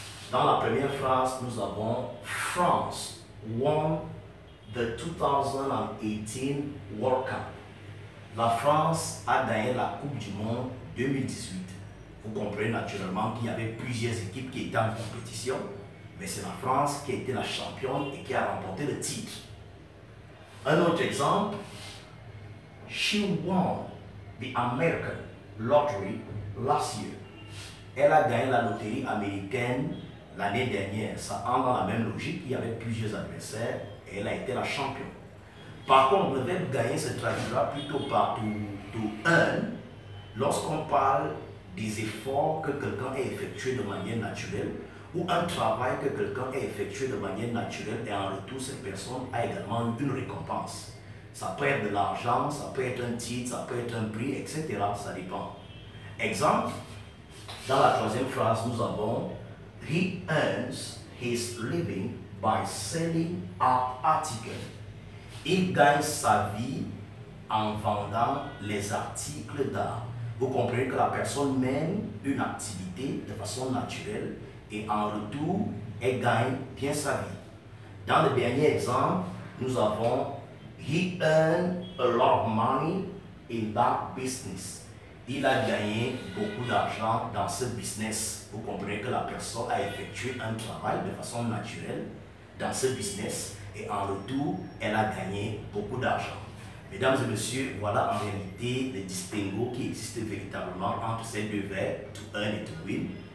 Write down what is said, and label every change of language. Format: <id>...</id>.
<fr>Dans la première phrase, nous avons</fr> <en>France won the 2018 World Cup.</en> <fr>La France a gagné la Coupe du Monde 2018. Vous comprenez naturellement qu'il y avait plusieurs équipes qui étaient en compétition, mais c'est la France qui a été la championne et qui a remporté le titre. Un autre exemple.</fr> <en>She won the American Lottery last year.</en> <fr>Elle a gagné la loterie américaine l'année dernière. Ça entre dans la même logique. Il y avait plusieurs adversaires et elle a été la championne. Par contre, le verbe gagner se traduira plutôt par to earn lorsqu'on parle des efforts que quelqu'un a effectués de manière naturelle ou un travail que quelqu'un a effectué de manière naturelle et en retour, cette personne a également une récompense. Ça peut être de l'argent, ça peut être un titre, ça peut être un prix, etc. Ça dépend. Exemple, dans la troisième phrase, nous avons «</fr> <en>He earns his living by selling art articles.</en> <fr>» Il gagne sa vie en vendant les articles d'art. Vous comprenez que la personne mène une activité de façon naturelle et en retour, elle gagne bien sa vie. Dans le dernier exemple, nous avons</fr> <en>He earned a lot of money in that business.</en> <fr>Il a gagné beaucoup d'argent dans ce business. Vous comprenez que la personne a effectué un travail de façon naturelle dans ce business et en retour, elle a gagné beaucoup d'argent. Mesdames et messieurs, voilà en réalité le distinguo qui existe véritablement entre ces deux verbes, to earn et to win.</fr>